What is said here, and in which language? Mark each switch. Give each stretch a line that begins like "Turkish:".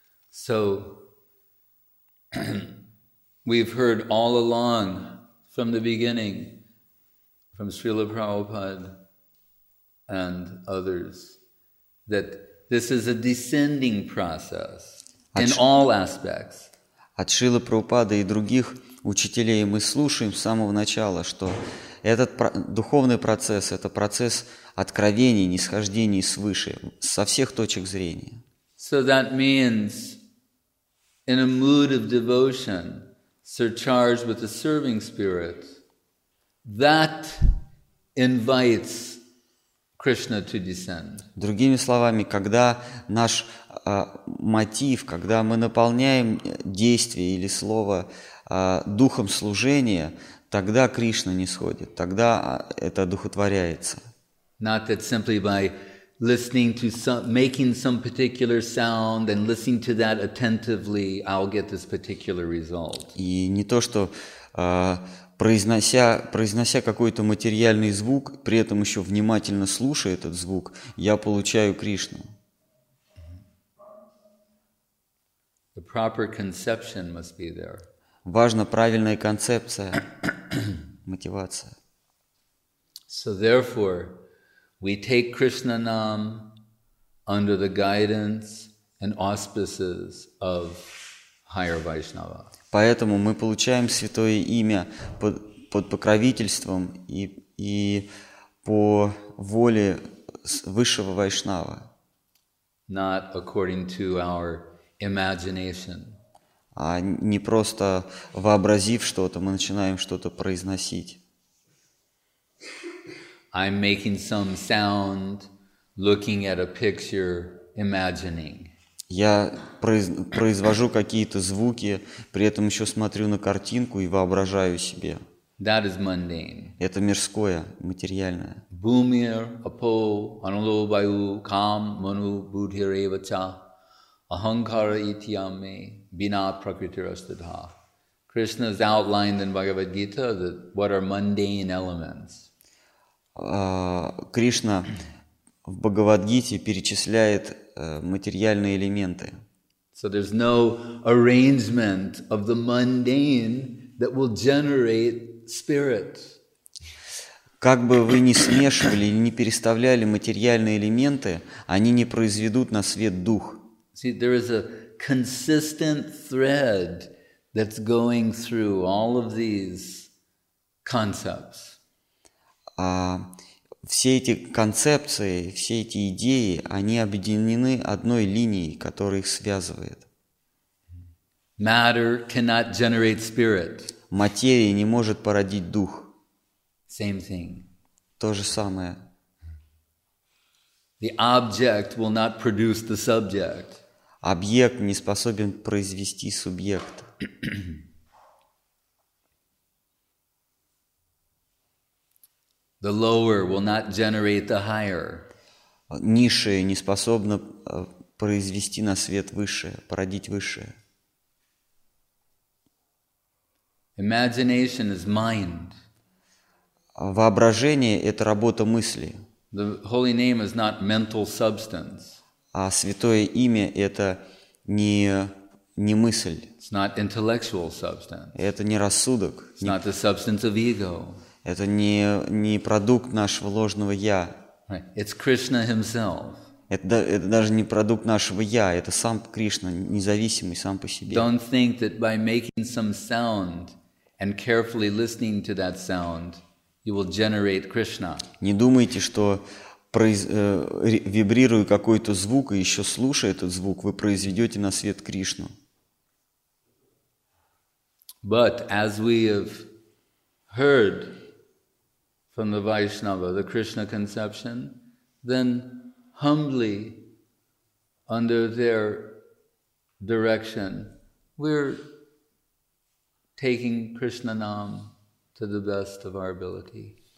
English: So we've heard all along from the beginning from Srila Prabhupada and others that this is a descending process. In all aspects.
Russian: От Шрилы Прабхупады и других учителей мы слушаем с самого начала, что этот духовный процесс – это процесс откровений, нисхождений свыше, со всех точек зрения.
English: So that means, in a mood of devotion, surcharged with a serving spirit, that invites Krishna to descend.
Russian: Другими словами, когда наш мотив, когда мы наполняем действие или слово духом служения, тогда Кришна нисходит, тогда это духотворяется.
English: Not that simply by listening to some, making some particular sound and listening to that attentively, I'll get this particular result.
Russian: И не то, что произнося какой-то материальный звук, при этом еще внимательно слушая этот звук, я получаю Кришну.
English: The proper conception must be there.
Russian: Важна правильная концепция, мотивация.
English: So therefore, we take Krishna Nam under the guidance and auspices of higher Vaishnava.
Russian: Поэтому мы получаем святое имя под покровительством и по воле высшего Вайшнава.
English: Not according to our imagination.
Russian: А не просто вообразив что-то, мы начинаем что-то произносить.
English: I'm making some sound, looking at a picture, imagining.
Russian: Я произвожу какие-то звуки, при этом еще смотрю на картинку и воображаю себе.
English: That is mundane.
Russian: Это мирское, материальное.
Sanskrit: Бумир, апо, анулобаю, кам, ману, будхиревача, ахангкара итьяме, бина пракритирастадха.
English: Krishna's outlined in Bhagavad Gita that what are mundane elements.
Russian: Krishna в Бхагавад-гите перечисляет материальные элементы.
English: So there's no arrangement of the mundane that will generate spirit.
Russian: Как бы вы ни смешивали или ни переставляли материальные элементы, они не произведут на свет дух.
English: See, there is a consistent thread that's going through all of these concepts.
Russian: Все эти концепции, все эти идеи, они объединены одной линией, которая их связывает.
English: Matter cannot generate spirit.
Russian: Материя не может породить дух.
English: Same thing.
Russian: То же самое.
English: The object will not produce the subject.
Russian: Объект не способен произвести субъект.
English: The lower will not generate the higher.
Russian: Низшее не способно произвести на свет высшее, породить высшее.
English: Imagination is mind.
Russian: Воображение – это работа мысли.
English: The holy name is not mental substance.
Russian: А святое имя – это не мысль.
English: It's not intellectual substance.
Russian: Это не рассудок.
English: It's not the substance of ego.
Russian: Это не продукт нашего ложного «я».
English: It's Krishna himself.
Russian: Это даже не продукт нашего «я», это сам Кришна, независимый сам по себе.
English: Don't think that by making some sound and carefully listening to that sound, you will generate Krishna.
Russian: Не думайте, что вибрируя какой-то звук и еще слушая этот звук, вы произведете на свет Кришну.
English: But as we have heard from the Vaishnava, the Krishna conception, then humbly, under their direction, we're taking Krishna Nam to the best of our ability.